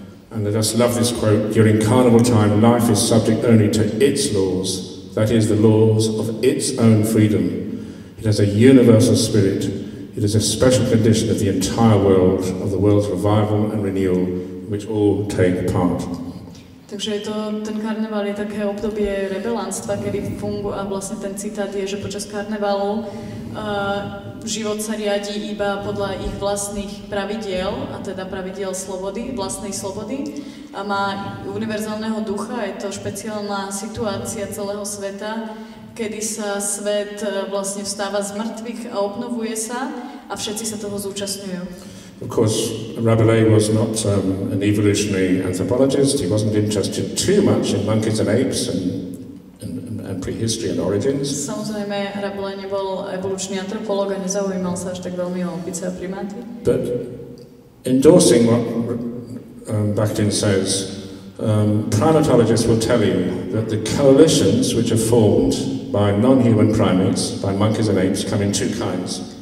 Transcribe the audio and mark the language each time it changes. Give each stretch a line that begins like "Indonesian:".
English: And I just love this quote, during carnival time, life is subject only to its laws, that is, the laws of its own freedom. It has a universal spirit. It is a special condition of the entire world, of the world's revival and renewal, which all take part.
Slovak: Takže je to, ten karneval je také obdobie rebelanstva, kedy funguje, a vlastne ten citát je, že počas karnevalu život sa riadi iba podľa ich vlastných pravidiel, a teda pravidiel slobody, vlastnej slobody, a má univerzálneho ducha, je to špeciálna situácia celého sveta, kedy sa svet vlastne vstáva z mŕtvych a obnovuje sa, a všetci sa toho zúčastňujú.
English: Of course, Rabelais was not an evolutionary anthropologist. He wasn't interested too much in monkeys and apes and prehistory and origins.
Slovak: Samozrejme, Rabelais nebol evolučný antropolog a nezaujímal sa až tak veľmi o opice a primáty.
English: But endorsing what Bakhtin says, primatologists will tell you that the coalitions which are formed by non-human primates, by monkeys and apes, come in two kinds.